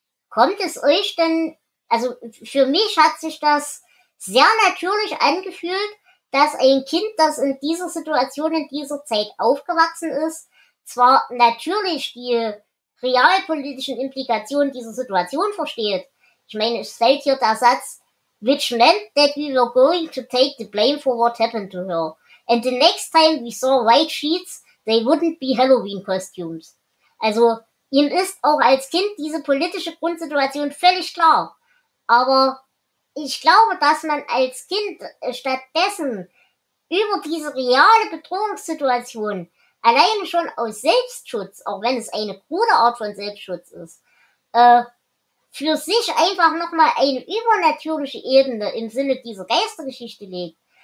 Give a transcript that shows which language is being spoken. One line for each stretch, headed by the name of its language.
German: Kommt es euch denn, also für mich hat sich das sehr natürlich angefühlt, dass ein Kind, das in dieser Situation, in dieser Zeit aufgewachsen ist, zwar natürlich die realpolitischen Implikationen dieser Situation versteht. Ich meine, es fällt hier der Satz,
English: which meant that we were going to take the blame for what happened to her. And the next time we saw white sheets, they wouldn't be Halloween costumes.
German: Also, ihm ist auch als Kind diese politische Grundsituation völlig klar. Aber ich glaube, dass man als Kind stattdessen über diese reale Bedrohungssituation alleine schon aus Selbstschutz, auch wenn es eine krude Art von Selbstschutz ist, für sich einfach nochmal eine übernatürliche Ebene im Sinne dieser Geistergeschichte legt.